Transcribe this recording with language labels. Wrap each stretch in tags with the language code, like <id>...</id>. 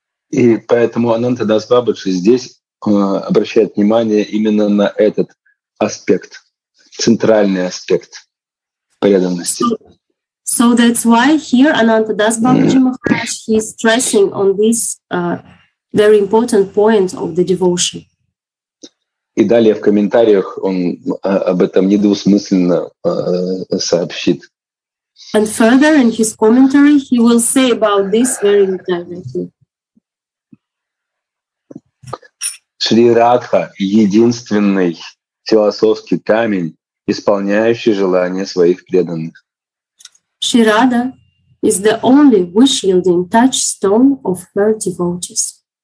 <ru>И поэтому Ананта Дас Бабаджи здесь обращает внимание именно на этот аспект, центральный аспект.</ru> <en>So that's why here Ananta Das Babaji Maharaj he is stressing on this very important point of the devotion.</en> <ru>И далее в комментариях он об этом недвусмысленно сообщит.</ru> <en>And further in his commentary he will say about this very directly.</en> <ru>Шри Радха единственный философский камень. Исполняющий желания своих преданных.</ru> <en>Шри Радха is the only wish-yielding touchstone of her devotees.</en>